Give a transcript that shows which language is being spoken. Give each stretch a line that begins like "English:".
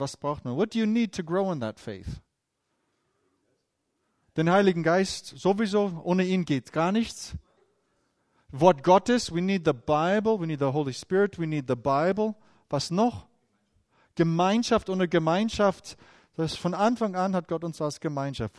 German: Was braucht man?
English: What do you need to grow in that faith?
German: Den Heiligen Geist sowieso, ohne ihn geht gar nichts. Wort Gottes,
English: we need the Bible, we need the Holy Spirit, we need the Bible.
German: Was noch? Gemeinschaft, ohne Gemeinschaft, das von Anfang an hat Gott uns als Gemeinschaft.